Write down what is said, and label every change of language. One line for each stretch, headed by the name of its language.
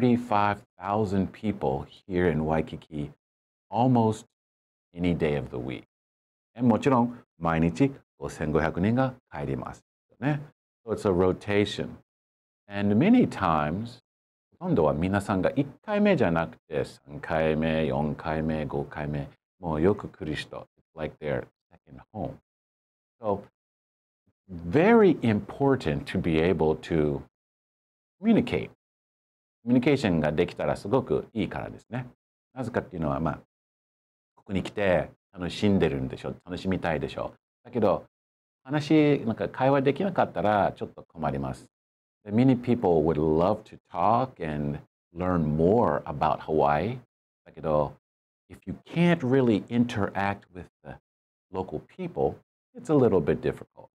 English: 35,000 people here in Waikiki almost any day of the week.
Japanese: And もちろん毎日5,500人が帰ります。ね、
English: so it's a rotation. And many times,
Japanese: 今度は皆さんが1回目じゃなくて3回目、4回目、5回目、もうよく来る人。
English: It's like their second home. So, very important to be able to communicate.
Japanese: コミュニケーションができたらすごくいいからですね。なぜかっていうのは、まあ、ここに来て楽しんでるんでしょう。楽しみたいでしょう。だけど、話、なんか会話できなかったらちょっと困ります。
English: Many people would love to talk and learn more about Hawaii. だけど、if you can't really interact with the local people, it's a little bit difficult.